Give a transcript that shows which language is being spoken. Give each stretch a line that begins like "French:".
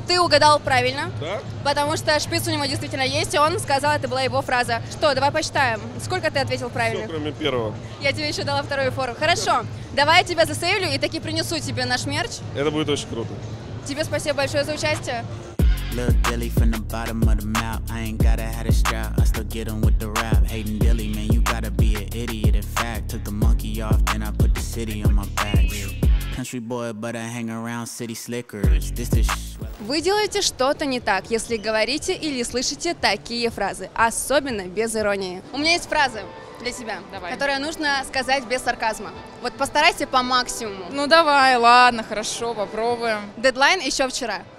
Russian: Ты угадал правильно. Да? Потому что шпиц у него действительно есть, и он сказал, это была его фраза. Что, давай посчитаем. Сколько ты ответил правильно? Все, кроме первого. Я тебе еще дала вторую фору. Хорошо, да. Давай я тебя засейвлю и таки принесу тебе наш мерч. Это будет очень круто. Тебе спасибо большое за участие.
English: Lil Dilly from the bottom of the mouth, I ain't gotta have a strap, I still get him with the rap. Hating Dilly, man, you gotta be an idiot. In fact, took the monkey off, then I put the city on my back. Country boy, but I hang around city slickers. This is sh-
Russian: Вы делаете что-то не так, если говорите или слышите такие фразы, особенно без иронии. У меня есть фразы для тебя, давай. Которые нужно сказать без сарказма. Вот постарайся по максимуму. Ну давай, ладно, хорошо, попробуем. Дедлайн еще вчера.